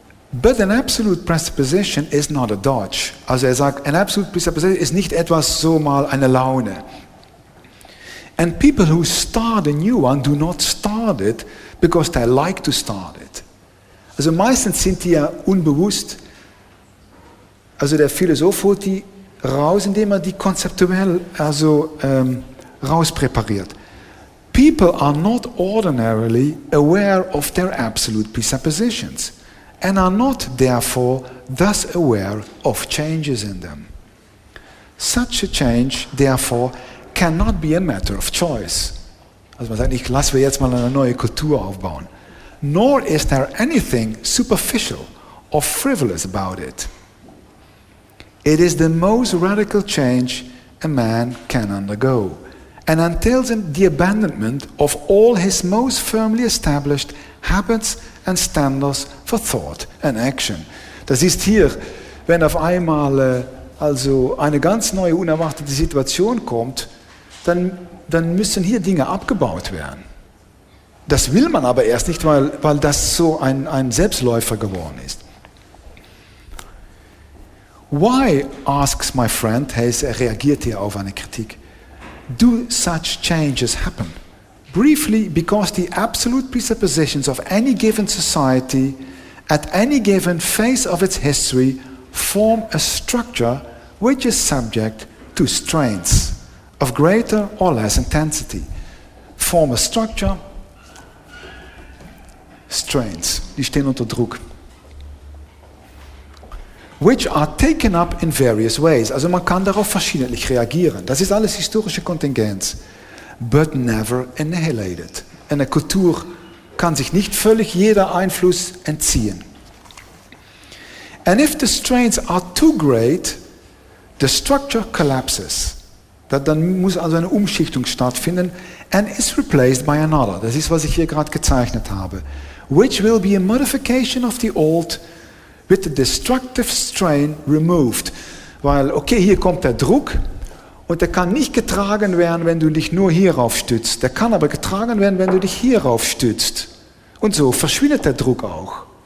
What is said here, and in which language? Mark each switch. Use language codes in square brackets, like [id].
[en] But an absolute presupposition is not a dodge. [de] Also er sagt, [en] an absolute presupposition [de] ist nicht etwas so mal eine Laune. [en] And people who start a new one do not start it because they like to start it. [de] Also meistens sind die ja unbewusst. Also der Philosoph holt die raus, indem er die konzeptuell also rauspräpariert. [en] People are not ordinarily aware of their absolute presuppositions and are not therefore thus aware of changes in them. Such a change therefore cannot be a matter of choice. [de] Also man sagt, ich lasse mir jetzt mal eine neue Kultur aufbauen. [en] Nor is there anything superficial or frivolous about it. It is the most radical change a man can undergo and entails the abandonment of all his most firmly established habits and standards for thought and action. [de] Das ist hier, wenn auf einmal also eine ganz neue, unerwartete Situation kommt, dann müssen hier Dinge abgebaut werden. Das will man aber erst nicht, weil das so ein Selbstläufer geworden ist. [en] Why, asks my friend, [de] er reagiert hier auf eine Kritik, [en] do such changes happen? Briefly, because the absolute presuppositions of any given society at any given phase of its history form a structure which is subject to strains of greater or less intensity. Form a structure, strains, [de] die stehen unter Druck, [en] which are taken up in various ways. [de] Also man kann darauf verschiedentlich reagieren. Das ist alles historische Kontingenz. [en] But never annihilated. [de] Eine Kultur kann sich nicht völlig jeder Einfluss entziehen. [en] And if the strains are too great, the structure collapses. [de] Dann muss also eine Umschichtung stattfinden [en] and is replaced by another. [de] Das ist, was ich hier gerade gezeichnet habe. [en] Which will be a modification of the old with the destructive strain removed. [de] Weil, okay, hier kommt der Druck und der kann nicht getragen werden, wenn du dich nur hierauf stützt. Der kann aber getragen werden, wenn du dich hierauf stützt. Und so verschwindet der Druck auch.